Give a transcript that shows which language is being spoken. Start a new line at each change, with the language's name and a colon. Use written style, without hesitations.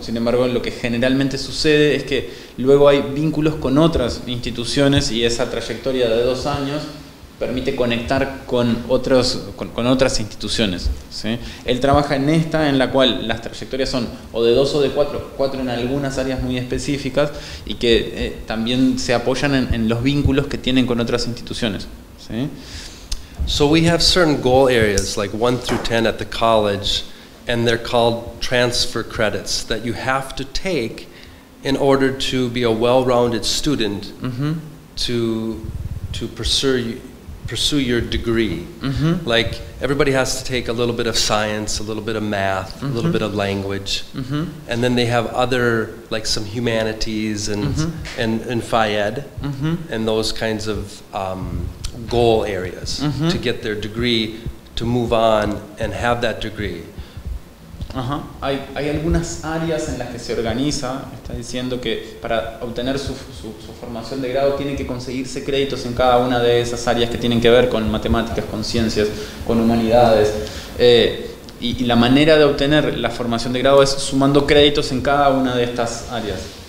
Spanish: Sin embargo, lo que generalmente sucede es que luego hay vínculos con otras instituciones y esa trayectoria de 2 años permite conectar con otras instituciones, ¿sí? Él trabaja en esta, en la cual las trayectorias son o de 2 o de 4 en algunas áreas muy específicas y que también se apoyan en los vínculos que tienen con otras instituciones, ¿sí?
English: So we have certain goal areas like 1 through 10 at the college, and they're called transfer credits that you have to take in order to be a well-rounded student mm-hmm. to pursue your degree. Mm-hmm. Like, everybody has to take a little bit of science, a little bit of math, mm-hmm. a little bit of language, mm-hmm. and then they have other, like some humanities and Phi Ed, mm-hmm. and those kinds of goal areas mm-hmm. to get their degree, to move on and have that degree. Uh-huh.
Spanish: Hay algunas áreas en las que se organiza, está diciendo que para obtener su formación de grado tiene que conseguirse créditos en cada una de esas áreas que tienen que ver con matemáticas, con ciencias, con humanidades. Y la manera de obtener la formación de grado es sumando créditos en cada una de estas áreas.